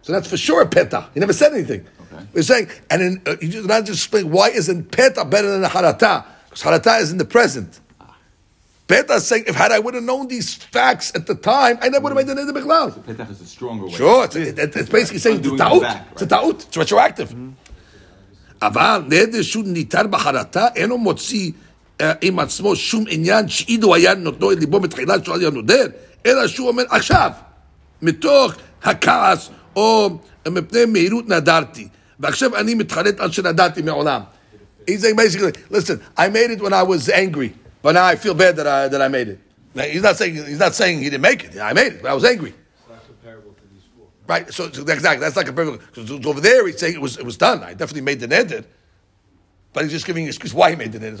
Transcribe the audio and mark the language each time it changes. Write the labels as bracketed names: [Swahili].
[English] So that's for sure Petah. He never said anything. Okay. He's saying, and then he did not just explain, why isn't Petah better than the Harata? Because Harata is in the present. Petah is saying, if had I would have known these facts at the time, I never would have made the Neder Bechlal. So Petah is a stronger way. Sure. It's basically right. Saying, ta'ut. It's a ta'ut. It's retroactive. [Hebrew] Aval, Neder Shud Nitar Baharata, Eno Motzi, עם עצמו שום עניין שאידו היה נותנו את ליבו בתחילה שהוא היה נודר, אלא שהוא אומר, עכשיו, מתוך הכעס או מפני מהירות נדרתי, ועכשיו אני מתחלט על שנדרתי מעולם. [English] He's saying basically, listen, I made it when I was angry, but now I feel bad that I made it. He's not saying he didn't make it. I made it, but I was angry. It's not comparable to these four. Right, so exactly, that's not comparable. Because over there he's saying it was done. I definitely made the neder. But he's just giving an excuse why he made the neder.